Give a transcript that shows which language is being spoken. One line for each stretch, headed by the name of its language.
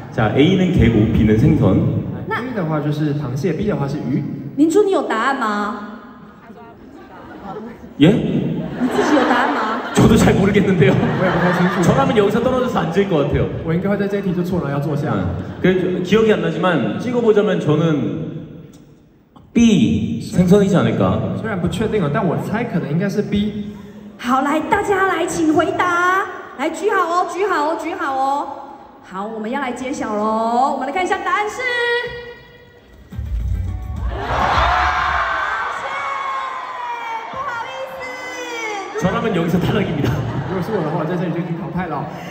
Korean: 자 A 는개고 B 는생선
Chinese: A 的话就是螃蟹 B 的话是鱼 민준你有答案吗
Korean: 예
Chinese: 你自己有答案吗
Korean: 저도잘모르겠는데요
Chinese: 我也不太清楚
Korean: 저라면여기서떨어져서앉을것같아요
Chinese: 我应该会在这题就错了要坐下
Korean: 그기억이안나지만찍어보자면저는 B 생선이지않을까
Chinese: 虽然不确定了但我猜可能应该是 B 好来大家来请回答来举好哦举好哦举好哦好我们要来揭晓咯我们来看一下答案是
Korean: 저라면여기서탈락입니다
Chinese: 如果是我的话在这里就已经淘汰了